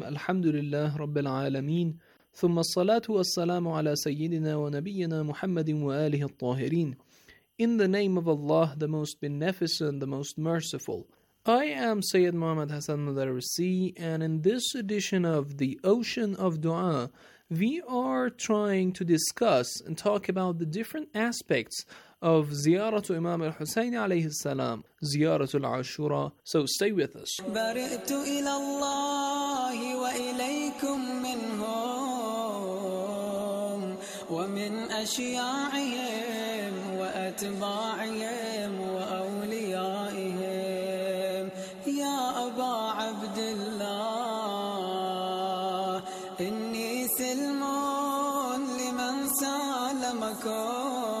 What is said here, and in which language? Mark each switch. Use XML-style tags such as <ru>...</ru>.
<ar>الحمد لله رب العالمين، ثم الصلاة والسلام على سيدنا ونبينا محمد وآله الطاهرين.</ar> <en>In the name of Allah, the most beneficent, the most merciful. I am Sayyid Muhammad Hassan Madarisi, and in this edition of The Ocean of Dua, we are trying to discuss and talk about the different aspects of</en> <ar>زيارة إمام الحسين عليه السلام, زيارة العاشوراء.</ar> <en>So stay with us.</en> <ar>برئت إلى الله وإليكم منهم ومن أشياعهم وأتباعهم وأوليائهم يا أبا عبد الله إني سلم لمن سالمكم</ar>